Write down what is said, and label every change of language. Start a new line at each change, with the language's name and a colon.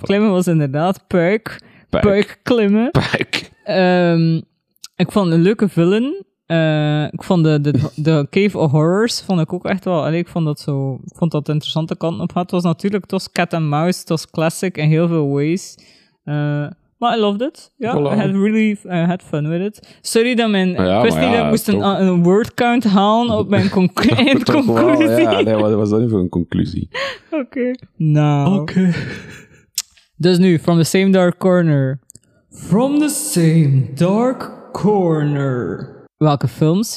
Dutch: Klimmen was inderdaad puik. Puik klimmen. Puik. Ik vond een leuke villain. Ik vond de Cave of Horrors vond ik ook echt wel... Allee, ik vond dat interessante kanten op had. Het was natuurlijk, het was
English: cat and mouse,
Dutch: het was classic in heel veel ways.
English: Maar I loved it. Ja, yeah, I had really had fun with it.
Dutch: Sorry dat mijn... Ja, ik wist niet dat ik moest een word count halen op mijn conclusie. Wel, ja. Nee, wat was dat niet voor een conclusie? Oké. Nou. Oké. Dus nu, From the Same Dark Corner. From the Same Dark Corner. Welke films?